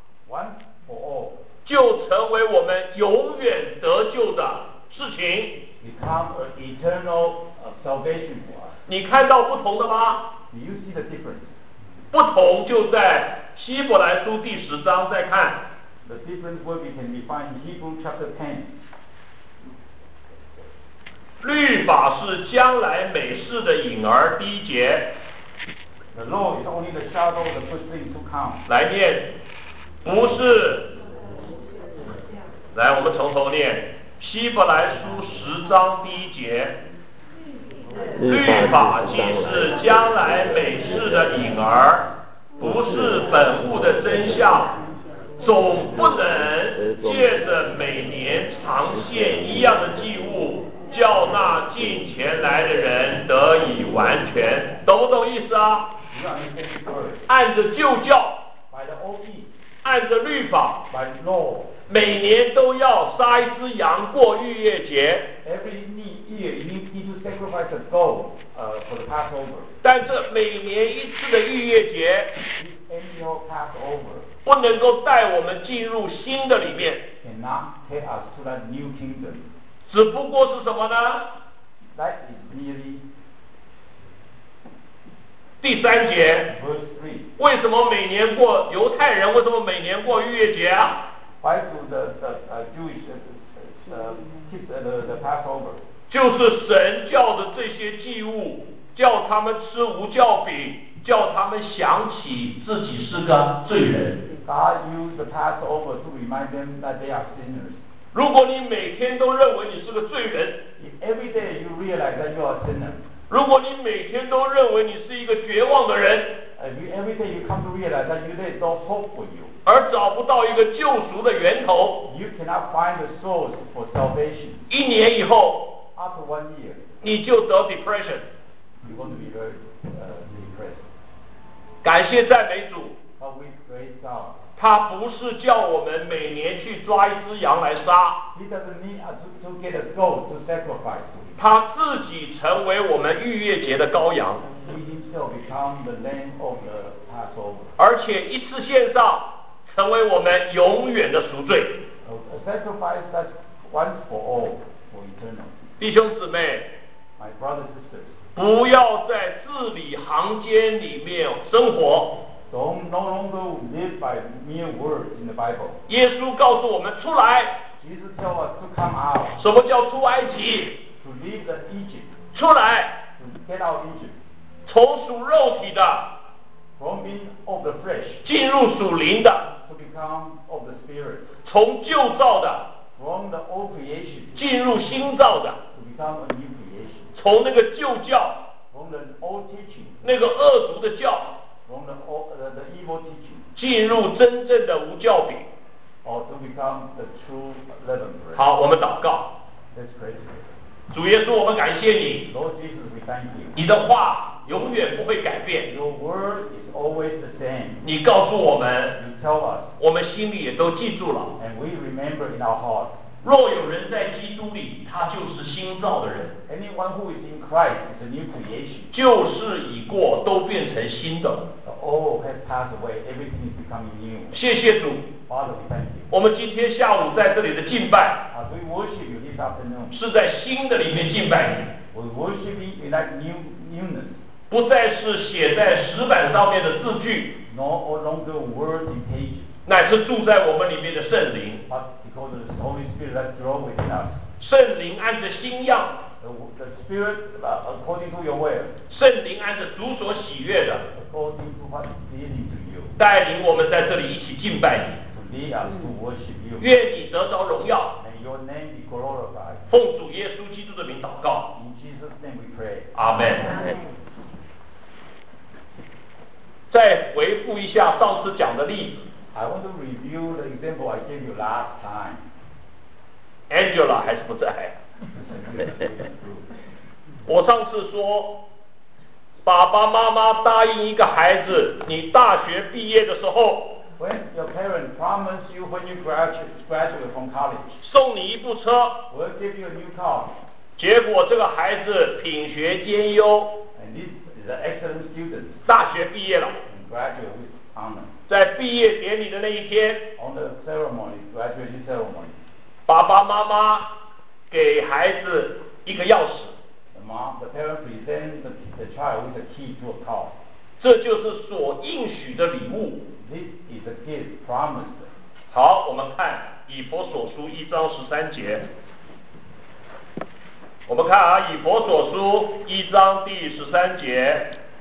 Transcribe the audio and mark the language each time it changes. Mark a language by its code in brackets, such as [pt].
[en] ，Once for all。 [zh] 就成为我们永远得救的事情。 [en] Become an eternal salvation for us. [zh] 你看到不同的吗？ [en] Do you see the difference? [zh] 不同就在希伯来书第十章再看。 [en] The difference will be can be found in Hebrews chapter 10. [zh] 律法是将来美事的影儿，第一节。 [en] The law is only the shadow of the first thing to come. [zh] 来念，不是。来，我们从头念。希伯来书十章第一节，律法既是将来美事的影儿，不是本物的真相，总不能借着每年常献一样的祭物，叫那近前来的人得以完全。懂不懂意思啊？按着旧教，按着律法，每年都要杀一只羊过逾越节。 [en] Every year you need to sacrifice a goat for the Passover. [zh] 但是每年一次的逾越节 [en] annual Passover [zh] 不能够带我们进入新的里面。 [en] Cannot take us to that new kingdom. [zh] 只不过是什么呢？ [en] That is merely [zh] 第三节 [en] verse 3. [zh] 为什么每年过犹太人为什么每年过逾越节啊？ [en] Why do the Jewish keep the Passover? [zh] 就是神叫的这些祭物，叫他们吃无酵饼，叫他们想起自己是个罪人。 [en] God used the Passover to remind them that they are sinners. [zh] 如果你每天都认为你是个罪人 [en] ，Every day you realize that you are a sinner. [zh] 如果你每天都认为你是一个绝望的人 [en] ，Every day you come to realize that you there is no hope for you. [zh] 而找不到一个救赎的源头。 [en] You cannot find a source for salvation. [zh] 一年以后 [en] ，After one year， [zh] 你就得 [en] depression。 You want to be very depressed. [zh] 感谢赞美主。 [en] But we praise God. [zh] 他不是叫我们每年去抓一只羊来杀。 [en] He doesn't need us to get a goat to sacrifice. [zh] 他自己成为我们逾越节的羔羊。 [en] He himself become the lamb of the Passover. [zh] 而且一次献上。成为我们永远的赎罪。 [en] A sacrifice that once for all, for eternal. [zh] 弟兄姊妹 [en] ，My brothers and sisters, [zh] 不要在字里行间里面生活。 [en] Don't no longer live by mere words in the Bible. [zh] 耶稣告诉我们出来。 [en] Jesus tell us to come out. [zh] 什么叫出埃及 [en] ？To leave the Egypt. [zh] 出来。 [en] To get out Egypt. [zh] 从属肉体的。 [en] From being of the flesh, [zh] 进入属灵的 [en] to become of the spirit, [zh] 从旧造的 [en] from the old creation, [zh] 进入新造的 [en] to become a new creation, [zh] 从那个旧教 [en] from the old teaching, [zh] 那个恶毒的教 [en] from the evil teaching, [zh] 进入真正的无酵饼 [en] or to become the true living bread. [zh] 好，我们祷告。 [en] Let's pray. [zh] 主耶稣，我们感谢你。 [en] Lord Jesus, we thank you. [zh] 你的话永远不会改变。 [en] Your word is always the same. [zh] 你告诉我们， [en] you tell us, [zh] 我们心里也都记住了。 [en] And we remember in our heart. [zh] 若有人在基督里，他就是新造的人。 [en] Anyone who is in Christ is a new creation. [zh] 旧事已过，都变成新的。 [en] The old has passed away. Everything is becoming new. [zh] 谢谢主。 [en] Father, we thank you. [zh] 我们今天下午在这里的敬拜， [en] As we worship you this afternoon, [zh] 是在新的里面敬拜你。 [en] We worship you in that newness. [zh] 不再是写在石板上面的字句， [en] no longer words in pages, [zh] 乃是住在我们里面的圣灵。 [en] But because the Holy Spirit that dwells within us, [zh] 圣灵按着心样， [en] the Spirit according to your will, [zh] 圣灵按着主所喜悦的， [en] according to what is pleasing to you, [zh] 带领我们在这里一起敬拜你， [en] to lead us to worship you, [zh] 愿你得着荣耀， [en] and your name be glorified, [zh] 奉主耶稣基督的名祷告， [en] in Jesus' name we pray, Amen. Amen. [zh] 再回复一下上次讲的例子。 [en] I want to review the example I gave you last time. [zh] Angela 还是不在。我上次说，爸爸妈妈答应一个孩子，你大学毕业的时候 [en] ，When your parents promise you when you graduate from college， [zh] 送你一部车 [en] ，We'll give you a new car。 [zh] 结果这个孩子品学兼优。 [en] And this is an excellent student. [zh] 大学毕业了。 [en] Graduate with honor. [zh] 在毕业典礼的那一天 [en] on the ceremony, graduation ceremony, [zh] 爸爸妈妈给孩子一个钥匙 [en] the, mom, the parents present the child with a key to a car. [zh] 这就是所应许的礼物 [en] This is a gift promised. [zh] 好，我们看以弗所书一章十三节，我们看啊，以弗所书一章第十三节，